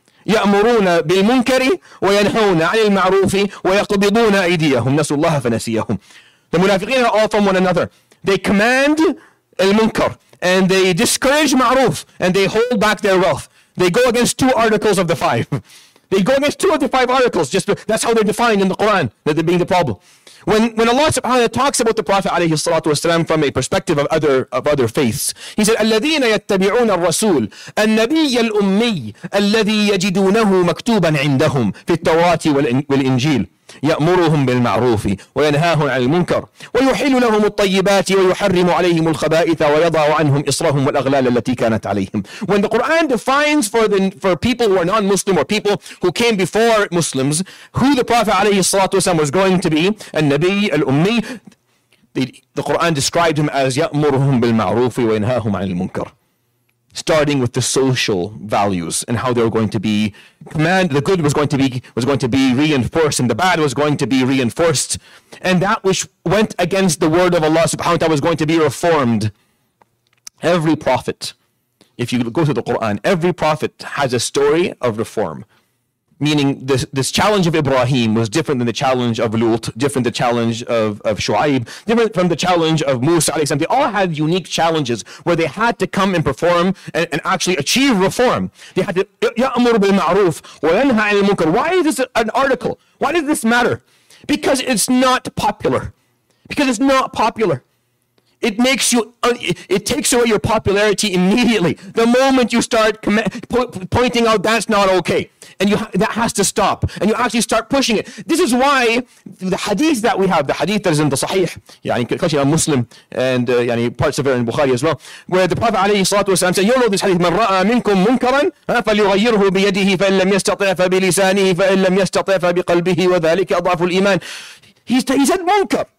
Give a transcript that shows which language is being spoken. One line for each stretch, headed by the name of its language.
Arabic: يَأْمُرُونَ بِالْمُنْكَرِ وَيَنْهَوْنَ عَنِ الْمَعْرُوفِ وَيَقْبِضُونَ أَيْدِيَهُمْ نَسُوا اللَّهَ فَنَسِيَهُمْ.
English: The munafiqeen are all from one another. They command al-munkar, and they discourage ma'ruf, and they hold back their wealth. They go against two articles of the five. They go against two of the five articles. That's how they're defined in the Quran, that they're being the problem. When Allah subhanahu wa ta'ala talks about the Prophet alayhi salatu wasalam from a perspective of other faiths, he said,
Arabic: الَّذِينَ يَتَّبِعُونَ الرَّسُولَ النَّبِيَّ الْأُمِّيَّ الَّذِي يَجِدُونَهُ مَكْتُوبًا عِنْدَهُمْ فِي التَّوْرَاةِ وَالْإِنْجِيلِ يأمرهم بالمعروف وينهاهم عن المنكر ويحل لهم الطيبات ويحرم عليهم الخبائث ويضع عنهم إصرهم والأغلال التي كانت عليهم.
English: When the Quran defines for people who are non-Muslim or people who came before Muslims who the Prophet
Arabic: عليه الصلاة والسلام
English: was going to be,
Arabic: النبي الأمي,
English: the Quran described him as
Arabic: يأمرهم بالمعروف وينهاهم عن المنكر.
English: Starting with the social values and how they were going to be command, the good was going to be reinforced and the bad was going to be reinforced, and that which went against the word of Allah subhanahu wa ta'ala was going to be reformed. Every prophet, if you go to the Quran, every prophet has a story of reform. Meaning this challenge of Ibrahim was different than the challenge of Lut, different than the challenge of Shu'aib, different from the challenge of Musa, alayhi salam. They all had unique challenges where they had to come and perform and actually achieve reform. They had to,
Arabic: يَأْمُرُ بِالْمَعْرُوفِ وَيَنْهَى عَنِ الْمُنْكَرِ.
English: Why is this an article? Why does this matter? Because it's not popular. Because it's not popular. It makes you, it takes away your popularity immediately. The moment you start pointing out that's not okay. And that has to stop. And you actually start pushing it. This is why the hadith that we have, the hadith that is in the Sahih, especially a Muslim, and parts of it in Bukhari as well, where the Prophet alayhi salatu wasalam said, you know this hadith,
Arabic: مَنْ رَأَى مِنْكُمْ مُنْكَرًا فَلْيُغَيِّرْهُ بِيَدِهِ فَإِنْ لَمْ يَسْتَطِعْ فَبِلِسَانِهِ فَإِنْ لَمْ يَسْتَطِعْ فَبِقَلْبِهِ وَذَلِكَ أَضْعَفُ الْإِمَانِ.
English: He said munkar.